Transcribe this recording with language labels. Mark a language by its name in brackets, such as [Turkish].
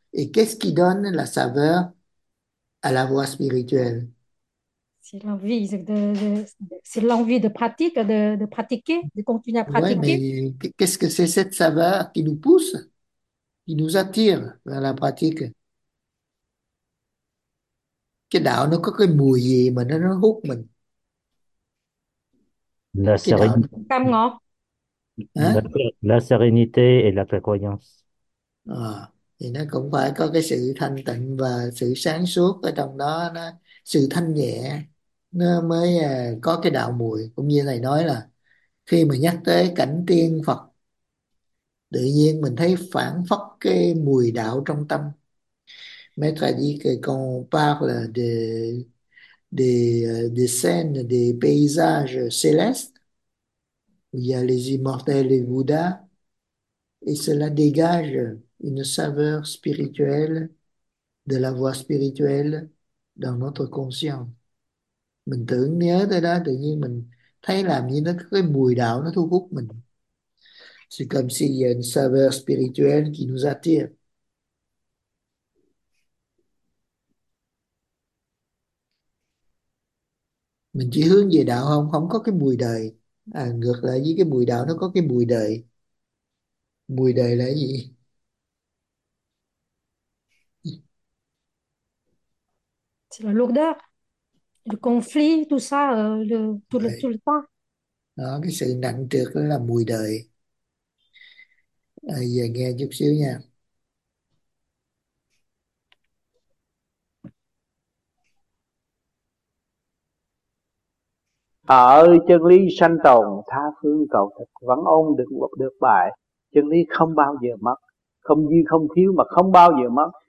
[French] Et qu'est-ce qui donne la saveur à la voie spirituelle? c'est l'envie de pratique de pratiquer de continuer à Ouais, pratiquer. mais qu'est-ce que c'est cette saveur qui nous pousse, qui nous attire vers la pratique? [Vietnamese] Cái đạo nó có cái mùi gì mà nó hút mình? [French] La [Vietnamese] Cái đạo [French] sérénité. [Vietnamese] cam ngọt hả? [French] La sérénité et la clairvoyance. [Vietnamese] À, thì nó cũng phải có cái sự thanh tịnh và sự sáng suốt ở trong đó, nó sự thanh nhẹ nó mới có cái đạo mùi. Cũng như thầy nói là khi mà nhắc tới cảnh tiên Phật, tự nhiên mình thấy phảng phất cái mùi đạo trong tâm. [French] Maître a dit que quand on parle des scènes, des paysages célestes, où il y a les immortels et Bouddha, et cela dégage une saveur spirituelle de la voie spirituelle dans notre conscience. [Vietnamese] Mình tưởng nhớ tới đó, tự nhiên mình thấy làm như nó có cái mùi đạo nó thu hút mình. [French] C'est comme si il y a une saveur spirituelle qui nous attire. [Vietnamese] Mình chỉ hướng về đạo không, không có cái mùi đời. À, ngược lại với cái mùi đạo nó có cái mùi đời. Mùi đời là gì? [French] C'est la lourdeur, le conflit, tout ça, tout le temps. [Vietnamese] Đó, cái sự nặng trược đó là mùi đời. À, giờ nghe chút xíu nha. Ở chân lý sanh tồn tha phương cầu thực vẫn ôn được được bài chân lý không bao giờ mất, không duy không thiếu mà không bao giờ mất.